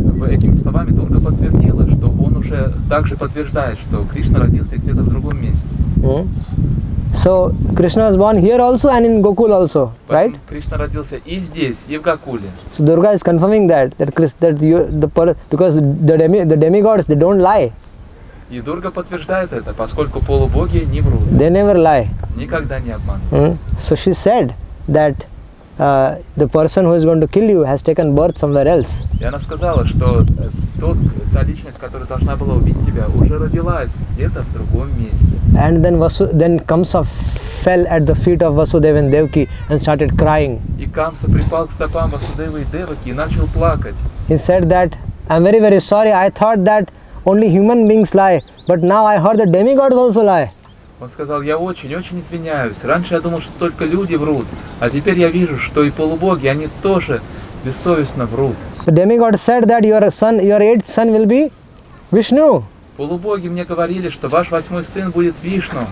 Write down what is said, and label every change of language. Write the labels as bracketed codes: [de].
[ru] Этими словами Дурга подтвердила, что он уже также подтверждает, что Кришна родился где-то в другом месте. [en] Mm-hmm. So Krishna was born here also and in Gokul also, right? [ru] Кришна родился и здесь, и в Гокуле. [en] So Durga is confirming that because the demigods they don't lie. [ru] И Дурга подтверждает это, поскольку полубоги не врут. [en] They never lie. [ru] Никогда не обманывают. [en] Mm-hmm. So she said that. The person who is going to kill you has taken birth somewhere else. [ru] И она сказала, что та личность, которая должна была убить тебя, уже родилась где-то в другом месте. [en] And then Kamsa fell at the feet of Vasudeva and Devaki and started crying. [ru] И Камса припал к стопам Васудевы и Деваки и начал плакать. [en] He said that I'm very very sorry. I thought that only human beings lie, but now I heard that demigods also lie. [ru] Он сказал, я очень-очень извиняюсь. Раньше я думал, что только люди врут. А теперь я вижу, что и полубоги, они тоже бессовестно врут. [en] The demigod said that your eighth son will be Vishnu. [ru] Полубоги мне говорили, что ваш восьмой сын будет Вишну.